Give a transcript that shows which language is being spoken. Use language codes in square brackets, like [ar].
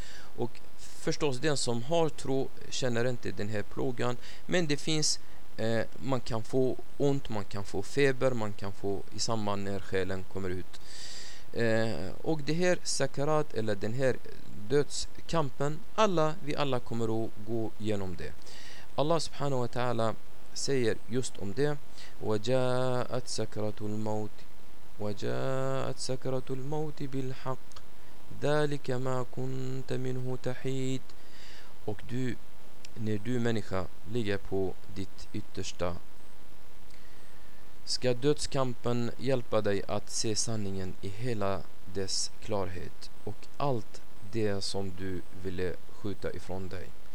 [sv] Och förstås den som har tro känner inte den här plågan, men det finns, man kan få ont, man kan få feber, man kan få i samband när själen kommer ut. Och det här sakarat eller den här dödskampen, vi alla kommer att gå igenom det. Allah subhanahu wa ta'ala säger just om det: [ar] وَجَاءَتْ سَكْرَةُ الْمَوْتِ وَجَاءَتْ سَكْرَةُ الْمَوْتِ بِالْحَقِّ ذَلِكَ مَا كُنْتَ مِنْهُ تَحِيدُ. [sv] Och du, när du människa ligger på ditt yttersta, ska dödskampen hjälpa dig att se sanningen i hela dess klarhet och allt det som du ville skjuta ifrån dig.